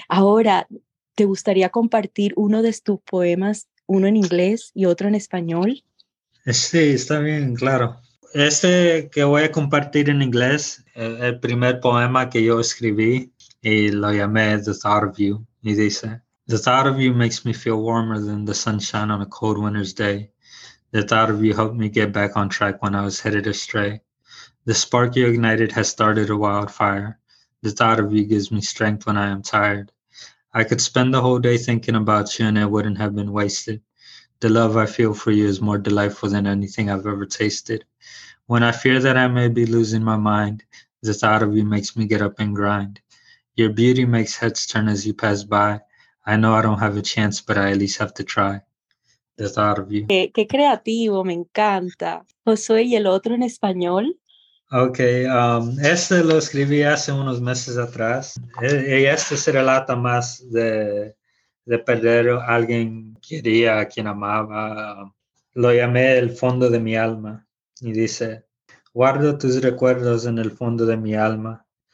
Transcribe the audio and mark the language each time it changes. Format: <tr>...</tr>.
<es>Ahora, ¿te gustaría compartir uno de tus poemas, uno en inglés y otro en español? Sí, está bien, claro. Este que voy a compartir en inglés, el primer poema que yo escribí y lo llamé The Thought of You. Y dice,</es> <en>"The thought of you makes me feel warmer than the sunshine on a cold winter's day. The thought of you helped me get back on track when I was headed astray. The spark you ignited has started a wildfire. The thought of you gives me strength when I am tired. I could spend the whole day thinking about you and it wouldn't have been wasted. The love I feel for you is more delightful than anything I've ever tasted. When I fear that I may be losing my mind, The thought of you makes me get up and grind. Your beauty makes heads turn as you pass by. I know I don't have a chance, but I at least have to try. The thought of you.</en> <es>Qué creativo, me encanta. Josué, ¿y el otro en español? Ok, este lo escribí hace unos meses atrás. Y este se relata más de perder a alguien que quería, a quien amaba. Lo llamé el fondo de mi alma. Y dice, guardo tus recuerdos en el fondo de mi alma.</es>